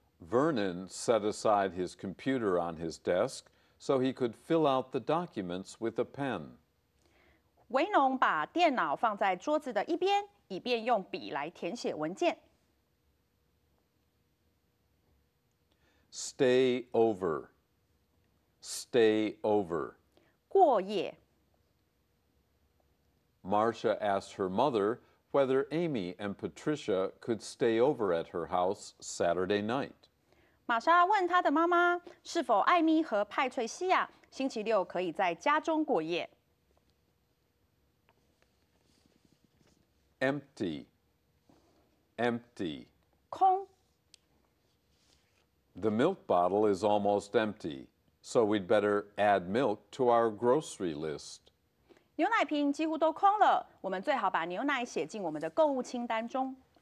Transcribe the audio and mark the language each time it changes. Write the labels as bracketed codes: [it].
[en] Vernon set aside his computer on his desk so he could fill out the documents with a pen. [zh] 维农把电脑放在桌子的一边，以便用笔来填写文件。 [en] Stay over. [zh] 过夜。 [en] Marcia asked her mother whether Amy and Patricia could stay over at her house Saturday night. [zh] 玛莎问她的妈妈是否艾米和派翠西亚星期六可以在家中过夜。 [en] Empty. [zh] 空。 [en] The milk bottle is almost empty, so we'd better add milk to our grocery list. [zh] 牛奶瓶几乎都空了，我们最好把牛奶写进我们的购物清单中。